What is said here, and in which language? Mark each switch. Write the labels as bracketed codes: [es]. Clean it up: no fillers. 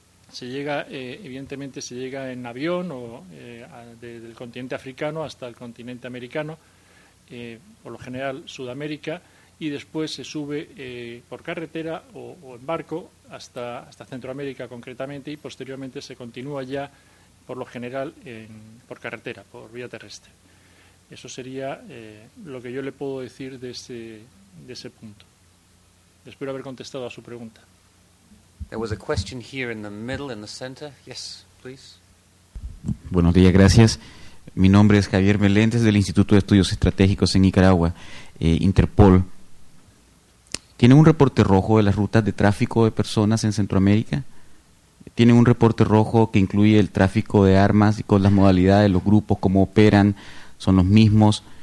[es] Se llega en avión o del continente africano hasta el continente americano, por lo general Sudamérica, y después se sube por carretera o en barco hasta Centroamérica concretamente, y posteriormente se continúa ya por lo general por carretera, por vía terrestre. Eso sería lo que yo le puedo decir de ese punto. Espero de haber contestado a su pregunta. [en] There was a question here in the middle, in the center. Yes, please. [es] Buenos días, gracias. Mi nombre es Javier Meléndez, del Instituto de Estudios Estratégicos en Nicaragua, Interpol. ¿Tienen un reporte rojo de las rutas de tráfico de personas en Centroamérica? ¿Tienen un reporte rojo que incluye el tráfico de armas y con las modalidades, los grupos, cómo operan, son los mismos?